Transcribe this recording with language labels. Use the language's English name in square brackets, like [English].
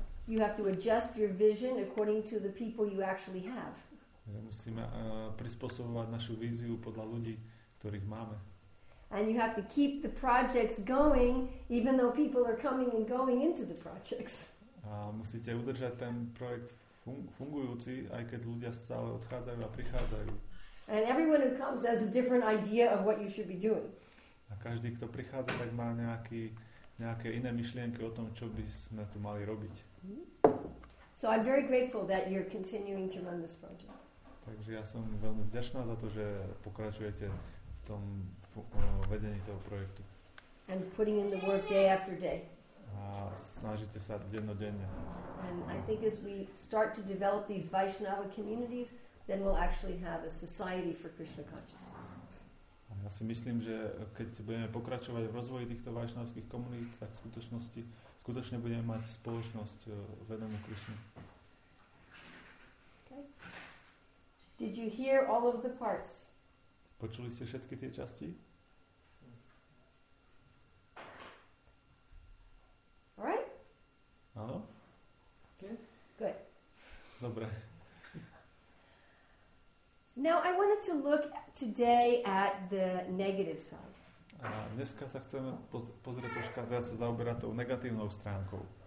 [English] You have to adjust your vision according to the people you actually have. [Slovak] Musíme prispôsobovať našu víziu podľa ľudí, ktorých máme. [English] And you have to keep the projects going even though people are coming and going into the projects. [Slovak] A musíte udržať ten projekt fungujúci, aj keď ľudia stále odchádzajú a prichádzajú. [English] And everyone who comes has a different idea of what you should be doing. [Slovak] A každý, kto prichádza, tak má nejaké iné myšlienky o tom, čo by sme tu mali robiť. [English] So I'm very grateful that you're continuing to run this project. [Slovak] Takže ja som veľmi vďačná za to, že pokračujete v tom vedení toho projektu. [English] And putting in the work day after day. [Slovak] A snažíte sa dennodenne. [English] And I think as we start to develop these Vaishnava communities, then we'll actually have a society for Krishna consciousness. [Slovak] A ja si myslím, že keď budeme pokračovať v rozvoji týchto vaishnavských komunít, tak v skutočnosti skutočne budeme mať spoločnosť vedomú Krishna. [English] Okay. Did you hear all of the parts? [Slovak] Počuli ste všetky tie časti? Áno? [English] Yes. Good. [Slovak] Dobre. [English] Now I wanted to look today at the negative side. [Slovak] A dneska sa chceme pozrieť troška viac sa zaoberať tou negatívnou stránkou.